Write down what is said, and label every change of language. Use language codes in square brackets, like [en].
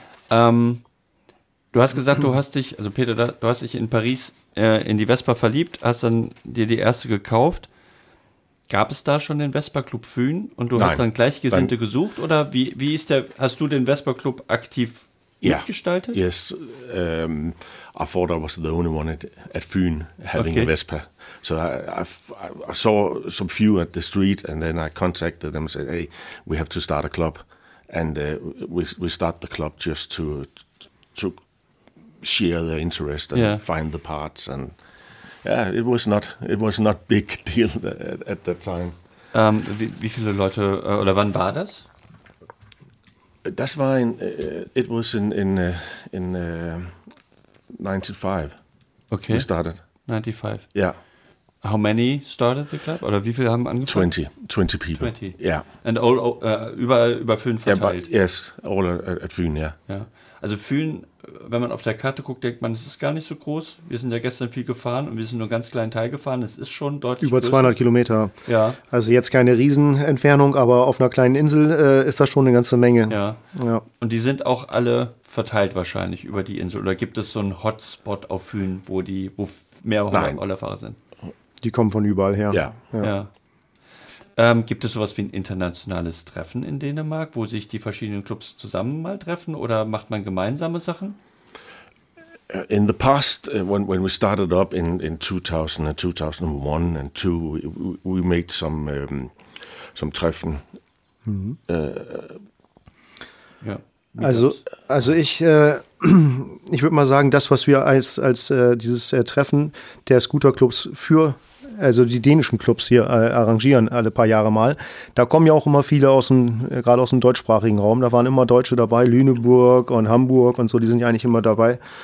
[de] Du hast gesagt, du hast dich in Paris in die Vespa verliebt, hast dann dir die erste gekauft. Gab es da schon den Vespa-Club Fün und du hast dann Gleichgesinnte gesucht? Oder wie ist der, hast du den Vespa-Club aktiv mitgestaltet? [en] Yes, I thought I was the only one at Fün having a Vespa. So I saw some few at the street and then I contacted them and said, hey, we have to start a club. And we start the club just to share their interest and find the parts, and it was not big deal at that time. [de] Wie viele Leute oder wann war das? Das war in 95. Okay. [en] We started. 95. Yeah. How many started the club? [de] Oder wie viele haben angefangen? [en] 20 people. 20. Yeah. And all [de] über Fün verteilt. [en] Yeah, but yes, all at Fün, yeah. [de] Ja. Also Fün, wenn man auf der Karte guckt, denkt man, es ist gar nicht so groß. Wir sind ja gestern viel gefahren und wir sind nur einen ganz kleinen Teil gefahren. Es ist schon deutlich über 200 Kilometer. Ja. Also jetzt keine Riesenentfernung, aber auf einer kleinen Insel ist das schon eine ganze Menge. Ja. Ja. Und die sind auch alle verteilt wahrscheinlich über die Insel. Oder gibt es so einen Hotspot auf Fün, wo mehr Rollerfahrer sind? Die kommen von überall her. Ja. Ja. Ja. Gibt es sowas wie ein internationales Treffen in Dänemark, wo sich die verschiedenen Clubs zusammen mal treffen oder macht man gemeinsame Sachen? [en] In the past, when we started up in 2000 and 2001 and 2002, we made some Treffen. [de] Ja. Also ich ich würde mal sagen, das, was wir als dieses Treffen der Scooterclubs für also die dänischen Clubs hier arrangieren alle paar Jahre mal. Da kommen ja auch immer viele gerade aus dem deutschsprachigen Raum. Da waren immer Deutsche dabei, Lüneburg und Hamburg und so, die sind ja eigentlich immer dabei.